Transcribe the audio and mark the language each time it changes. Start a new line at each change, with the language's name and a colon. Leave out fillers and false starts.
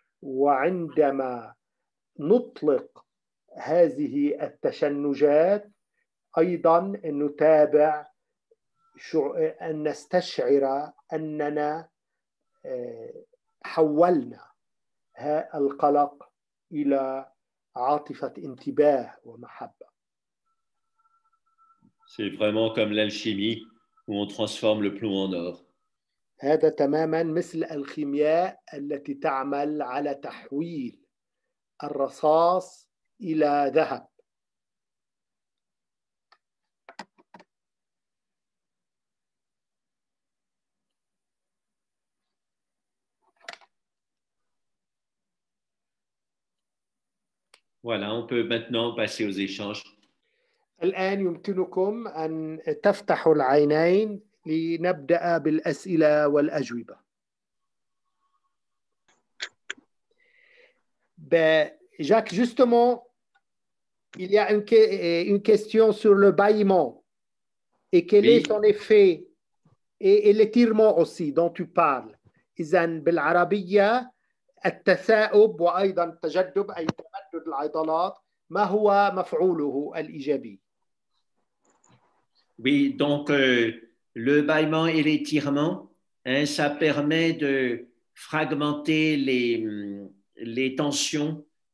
Arabic: وعندما نطلق هذه التشنجات أيضا نتابع أن نستشعر أننا حولنا القلق إلى عاطفة انتباه ومحبة.
French: C'est vraiment comme l'alchimie où on transforme le plomb en or.
Arabic: هذا تماما مثل الخيمياء التي تعمل على تحويل الرصاص إلى ذهب.
French: Voilà, on peut maintenant passer aux échanges.
Arabic: الآن يمكنكم أن تفتحوا العينين لنبدأ بالأسئلة والأجوبة.
French: Ben, Jacques, justement, il y a une question sur le bâillement et quel est son effet et l'étirement aussi dont tu parles.
Arabic: إذن بالعربية التثاؤب وأيضا تجدب أي تمدد العضلات ما هو مفعوله الإيجابي؟
French: Oui, donc le bâillement et l'étirement, hein, ça permet de fragmenter les tensions.